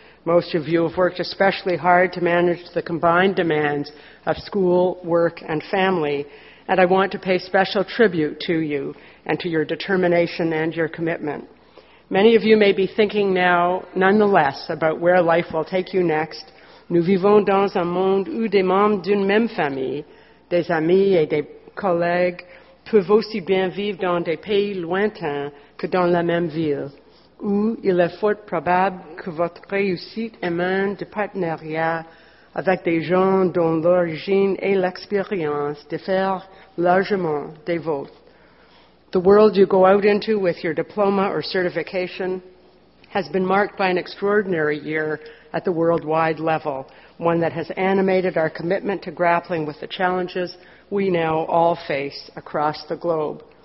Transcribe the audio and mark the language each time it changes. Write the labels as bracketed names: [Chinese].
[English] Most of you have worked especially hard to manage the combined demands of school, work, and family, and I want to pay special tribute to you and to your determination and your commitment. Many of you may be thinking now, nonetheless, about where life will take you next. [French] Nous vivons dans un monde où des membres d'une même famille, des amis et des collègues, peuvent aussi bien vivre dans des pays lointains que dans la même ville, où il est fort probable que votre réussite émane de partenariats avec des gens dont l'origine et l'expérience diffèrent largement des vôtres. [English] The world you go out into with your diploma or certification has been marked by an extraordinary year at the worldwide level, one that has animated our commitment to grappling with the challenges we now all face across the globe.